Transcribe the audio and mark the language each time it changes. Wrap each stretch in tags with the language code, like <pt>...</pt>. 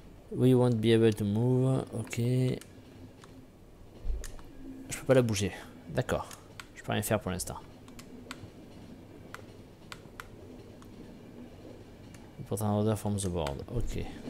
<en>We won't be able to move, ok.</en> <fr>Je peux pas la bouger, d'accord. Je peux rien faire pour l'instant.</fr> <en>Put an order from the board, ok.</en>